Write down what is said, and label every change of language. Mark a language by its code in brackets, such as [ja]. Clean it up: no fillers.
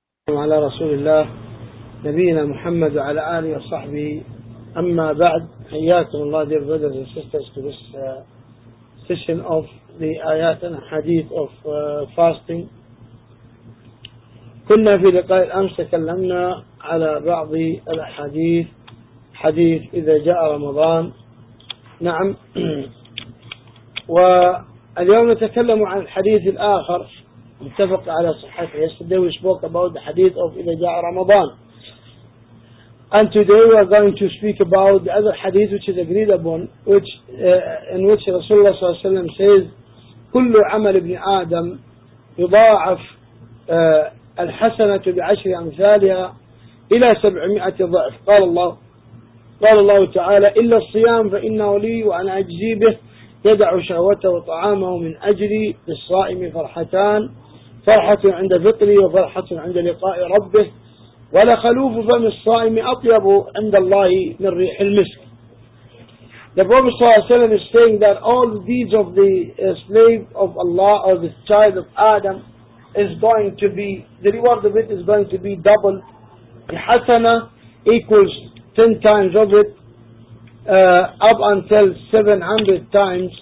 [ar] وعلى رسول الله نبينا محمد وعلى آله وصحبه. أما بعد، حياكم الله [en] dear brothers and sisters to this session of the آيات and حديث of fasting. [ar] كنا في لقاء الأمس تكلمنا على بعض الحديث، حديث إذا جاء رمضان، نعم. واليوم نتكلم عن الحديث الآخر متفق على صحته. [en] Yesterday we spoke about the hadith of [ar] إذا جاء رمضان. [en] And today we are going to speak about the other hadith which is agreed upon, which in which Rasulullah صلى الله عليه وسلم says [ar] كل عمل ابن آدم يضاعف الحسنة بعشر أمثالها إلى 700 ضعف. قال الله تعالى إلا الصيام فإنه لي وأنا أجزي به، يدع شهوته وطعامه من أجلي، للصائم فرحتان، فرحة عند فطري وفرحة عند لقاء ربه، ولخلوف فم الصائم أطيب عند الله من ريح المسك. [en] The Prophet صلى الله عليه وسلم is saying that all the deeds of the slave of Allah or the child of Adam is going to be, the reward of it is going to be doubled. The hasana equals 10 times of it, up until 700 times.